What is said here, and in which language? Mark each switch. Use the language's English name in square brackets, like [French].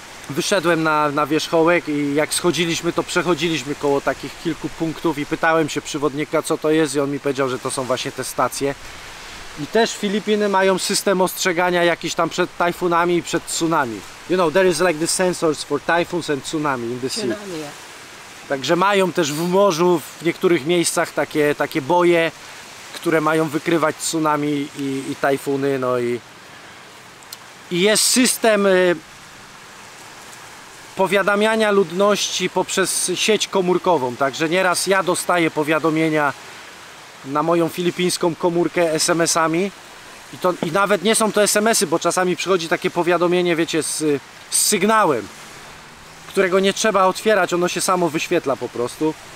[Polish] Wyszedłem na wierzchołek i jak schodziliśmy, to przechodziliśmy koło takich kilku punktów i pytałem się przewodnika, co to jest, i on mi powiedział, że to są właśnie te stacje. I też Filipiny mają system ostrzegania jakiś tam przed tajfunami i przed tsunami. [English] You know, there is like the sensors for typhoons and tsunami in the sea. [Polish] Także mają też w morzu, w niektórych miejscach takie boje, które mają wykrywać tsunami i tajfuny, no i jest system powiadamiania ludności poprzez sieć komórkową, także nieraz ja dostaję powiadomienia na moją filipińską komórkę SMS-ami i nawet nie są to SMS-y, bo czasami przychodzi takie powiadomienie, wiecie, z sygnałem, którego nie trzeba otwierać, ono się samo wyświetla po prostu,